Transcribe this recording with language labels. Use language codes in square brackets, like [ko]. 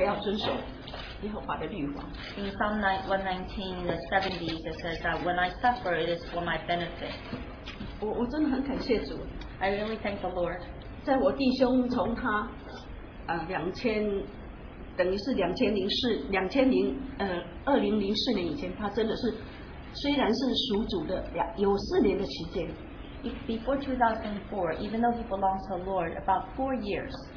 [zh] 所以呢，那个诗篇119篇70到70几节里面讲到一句说：“我受苦是与我有益，我要遵守耶和华的律法。” [en] In Psalm 119 in the 70s, it says that when I suffer, it is for my benefit. [zh] 我真的很感谢主。 [en] I really thank the Lord. [zh] 在我弟兄从他2004年以前，他真的是虽然是属主的有4年的期间。 [en] Before 2004, even though he belongs to the Lord, about 4 years.